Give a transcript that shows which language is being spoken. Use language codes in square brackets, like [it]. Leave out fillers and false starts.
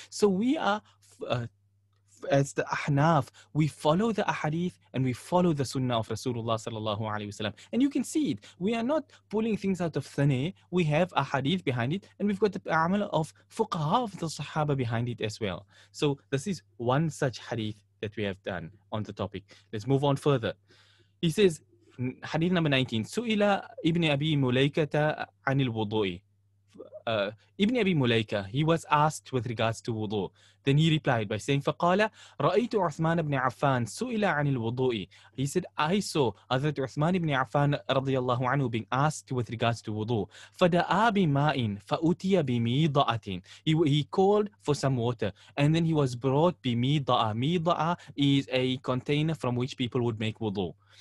[en] So we are, as the ahnaf, we follow the ahadith and we follow the sunnah of Rasulullah sallallahu alaihi wasallam. And you can see it. We are not pulling things out of thin air. We have a hadith behind it, and we've got the amal of fuqaha of the sahaba behind it as well. So this is one such hadith that we have done on the topic. Let's move on further. He says, hadith number 19. [ar] سُئِلَ ابن أبي مُلَيْكَةَ عَنِ الْوُضُوءِ [en] Ibn Abi Mulaika, he was asked with regards to wudu. Then he replied by saying, [ar] فَقَالَ رَأَيْتُ عُثْمَانَ بْنِ عَفَّانَ سُئِلَ عَنِ الْوُضُوءِ. [en] He said, I saw Hazrat Uthman ibn Affan radiallahu anhu being asked with regards to wudu. [ar] فَدَآ بِمَاءٍ فَأُتِيَ بِمِيضَأَةٍ. [en] He called for some water and then he was brought بِمِيضَأَةٍ. مِيضَأَةٍ is a container from which people would make wudu.